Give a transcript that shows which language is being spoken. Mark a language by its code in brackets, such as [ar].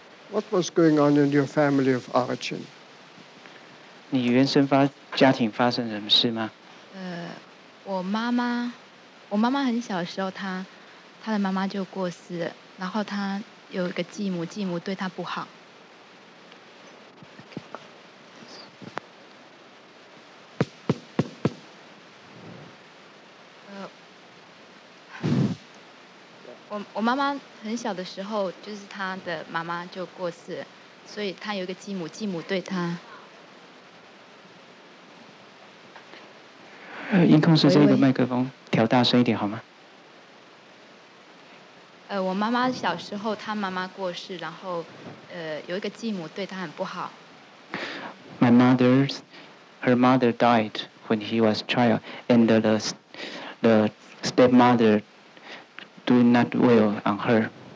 [en] What was going on in your family of origin? [zh] 你原生家庭发生什么事吗？我妈妈很小的时候，她的妈妈就过世了，然后她有一个继母，继母对她不好。我妈妈很小的时候，就是她的妈妈就过世了，所以她有一个继母，继母对她。音控室这个麦克风调大声一点好吗？我妈妈小时候，她妈妈过世，然后，有一个继母对她很不好。 [en] My mother's, her mother died when he was a child, and the stepmother doing not well on her.